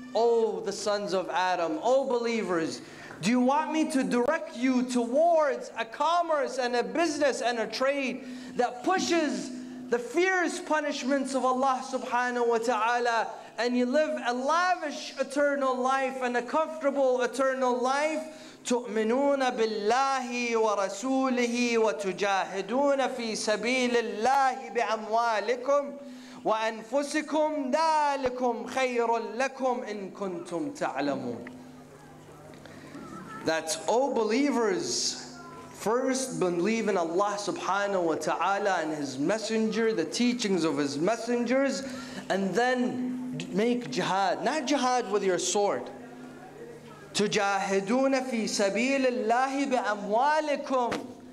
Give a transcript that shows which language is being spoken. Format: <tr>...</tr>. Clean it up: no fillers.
<en>Oh, the sons of Adam, oh believers, do you want me to direct you towards a commerce and a business and a trade that pushes the fierce punishments of Allah subhanahu wa ta'ala, and you live a lavish eternal life and a comfortable eternal life?</en> <ar>تؤمنون بالله ورسوله وتجاهدون في سبيل الله بأموالكم وأنفسكم ذلكم خير لكم إن كنتم تعلمون.</ar> <en>That all believers first believe in Allah subhanahu wa ta'ala and His messenger, the teachings of His messengers, and then make jihad, not jihad with your sword.</en> <ar>تُجَاهِدُونَ فِي سَبِيلِ اللَّهِ بِأَمْوَالِكُمْ.</ar>